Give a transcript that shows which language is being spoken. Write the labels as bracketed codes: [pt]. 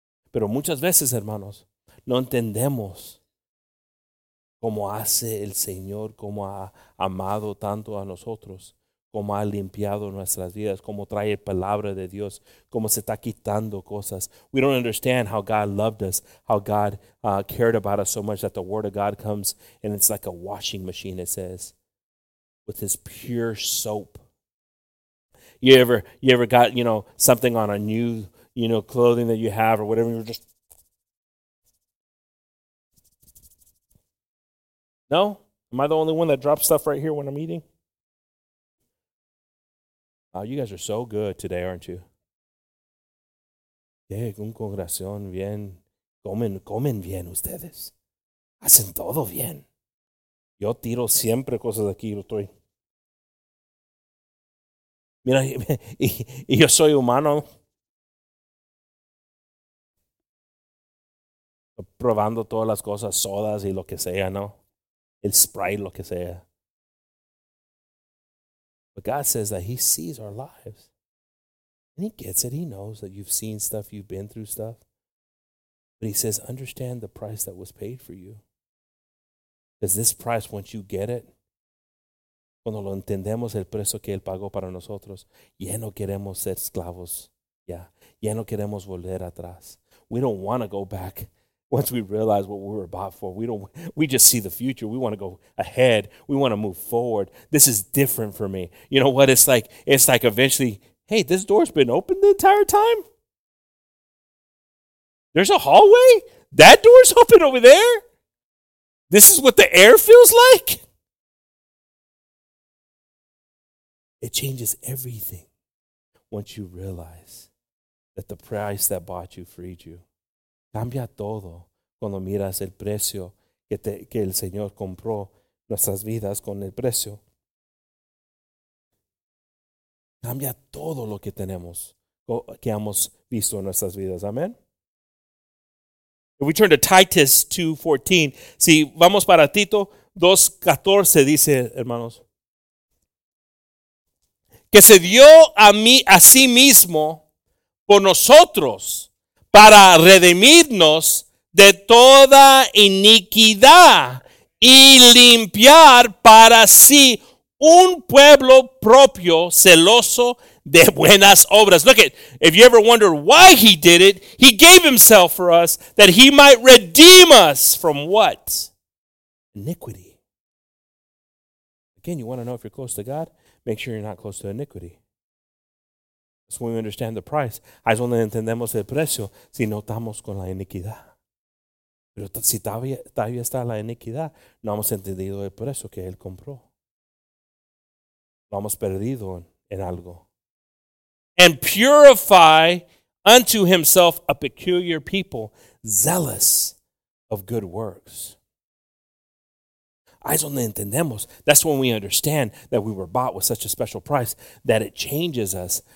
[es] Pero muchas veces, hermanos, no entendemos cómo hace el Señor, cómo ha amado tanto a nosotros, cómo ha limpiado nuestras vidas, cómo trae palabra de Dios, cómo se está quitando cosas. [en] We don't understand how God loved us, how God cared about us so much that the Word of God comes and it's like a washing machine, it says, with His pure soap. You ever got, you know, something on a new, you know, clothing that you have or whatever, and you're just... No? Am I the only one that drops stuff right here when I'm eating? Wow, you guys are so good today, aren't you? [es] Qué congregación bien. Comen bien ustedes. Hacen todo bien. Yo tiro siempre cosas aquí, lo estoy... Mira, y yo soy humano. Probando todas las cosas, sodas y lo que sea, ¿no? El Sprite, lo que sea. [en] But God says that He sees our lives. And He gets it. He knows that you've seen stuff, you've been through stuff. But He says, understand the price that was paid for you. Because this price, once you get it, [es] cuando lo entendemos el precio que Él pagó para nosotros, ya no queremos ser esclavos. Yeah. Ya no queremos volver atrás. [en] We don't want to go back once we realize what we were bought for. We just see the future. We want to go ahead. We want to move forward. This is different for me. You know what? It's like eventually, hey, this door's been open the entire time. There's a hallway. That door's open over there. This is what the air feels like. It changes everything once you realize that the price that bought you freed you. [es] Cambia todo cuando miras el precio que el Señor compró nuestras vidas con el precio. Cambia todo lo que tenemos, que hemos visto en nuestras vidas. Amén. [en] If we turn to Titus 2:14, [es] si vamos para Tito 2:14, dice, hermanos, que se dio a mí a sí mismo por nosotros para redimirnos de toda iniquidad y limpiar para sí un pueblo propio celoso de buenas obras. [en] Look at, if you ever wonder why He did it, He gave Himself for us that He might redeem us from what? Iniquity. Again, you want to know if you're close to God? Make sure you're not close to iniquity. That's when we understand the price. [es] Ahí es donde entendemos el precio si no estamos con la iniquidad. Pero si todavía está la iniquidad, no hemos entendido el precio que Él compró. Lo hemos perdido en algo. [en] And purify unto Himself a peculiar people, zealous of good works. [es] Ahí es donde entendemos. [en] That's when we understand that we were bought with such a special price that it changes us.